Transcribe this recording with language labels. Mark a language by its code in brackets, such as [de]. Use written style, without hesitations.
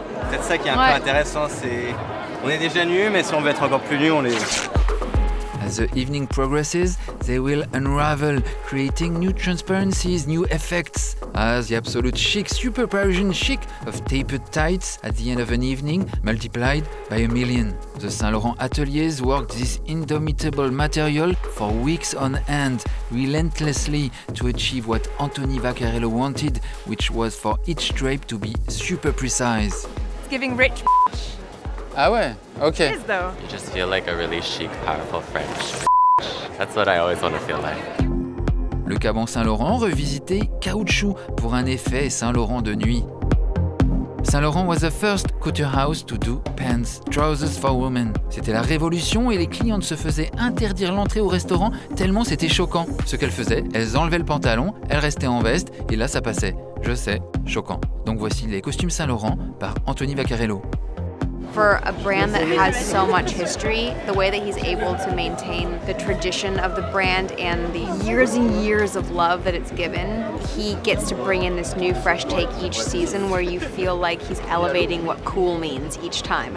[fr] Peut-être ça qui est un peu intéressant, c'est. On est déjà nus, mais si on veut être encore plus nus, on les. [en] As the evening progresses, they will unravel, creating new transparencies, new effects. As the absolute chic, super Parisian chic of tapered tights at the end of an evening, multiplied by a million. The Saint Laurent ateliers worked this indomitable material for weeks on end, relentlessly, to achieve what Anthony Vaccarello wanted, which was for each drape to be super precise. It's giving rich. [fr] Ah ouais, ok. [en] It is though. You just feel like a really chic, powerful French. That's what I always want to feel like. [fr] Le cabanon Saint Laurent revisité caoutchouc pour un effet Saint Laurent de nuit. [en] Saint Laurent was the first couture house to do pants, trousers for women. [fr] C'était la révolution et les clientes se faisaient interdire l'entrée au restaurant tellement c'était choquant. Ce qu'elles faisaient, elles enlevaient le pantalon, elles restaient en veste et là ça passait. Je sais, choquant. Donc voici les costumes Saint Laurent par Anthony Vaccarello. [en] For a brand that has so much history, the way that he's able to maintain the tradition of the brand and the years and years of love that it's given, he gets to bring in this new fresh take each season where you feel like he's elevating what cool means each time.